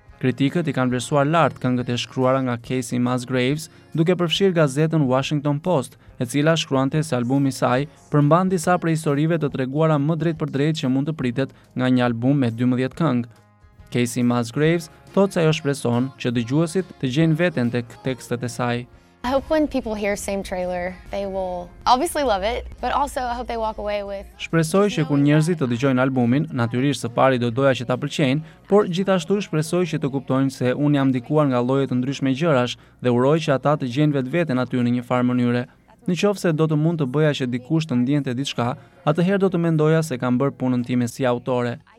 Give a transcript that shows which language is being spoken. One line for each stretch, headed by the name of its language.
Albanian: Kritikët i kanë vlerësuar lart këngët e shkruara nga Casey Musgraves, duke përfshirë gazetën Washington Post, e cila shkruante se albumi i saj përmban disa prej historive të treguara më drejt për drejt që mund të pritet nga një album me 12 këngë. Casey Musgraves thotë se ajo shpreson që dëgjuesit të gjejnë veten tek tekstet e saj.
English: I hope when people hear Same Trailer, they will obviously love it, but also I hope they walk away with.
Albanian: Shpresoj që kur njerëzit të dëgjojnë albumin, natyrisht së pari do doja që ta pëlqejnë, por gjithashtu shpresoj që të kuptojnë se unë jam ndikuar nga lloje të ndryshme gjërash dhe uroj që ata të gjejnë vetveten aty në një farë mënyre. Nëse do të mund të bëja që dikush të ndjente diçka, atëherë do të mendoja se kam bërë punën time si autore.